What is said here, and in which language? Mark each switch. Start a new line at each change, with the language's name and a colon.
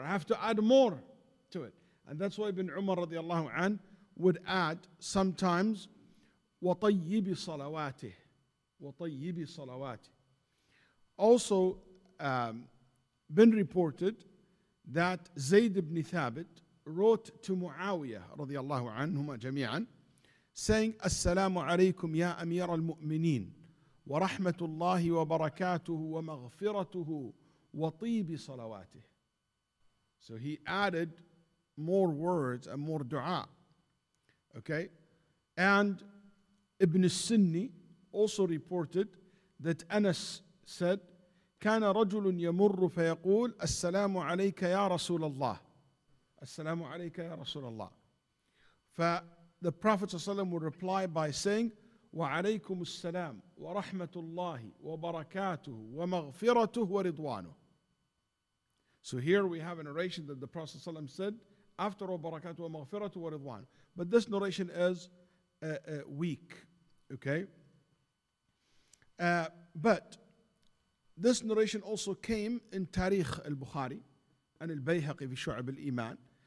English: I have to add more to it. And that's why Ibn Umar radiallahu an would add sometimes,
Arabic: wa tayyibi salawatih, wa tayyibi salawatih.
English: Also, been reported that Zayd ibn Thabit wrote to Muawiyah radiallahu an, huma jami'an, saying,
Arabic: assalamu alaikum ya amir al-mu'mineen. ورحمة الله وبركاته ومغفرته وطيب صلواته.
English: So he added more words and more dua. Okay. And Ibn Sinni also reported that Anas said,
Arabic: كان رجل يمر فيقول السلام عليك يا رسول الله. السلام عليك يا رسول الله. ف
English: the Prophet ﷺ would reply by saying,
Arabic: وعليكم السلام ورحمة الله وبركاته ومغفرته ورضوانه.
English: So here we have a narration that the Prophet ﷺ said after
Arabic: وبركاته ومغفرته ورضوانه.
English: But this narration is weak, okay? But this narration also came in Tariq al-Bukhari and al-Bayhaqi fi Shu'ab al-Iman.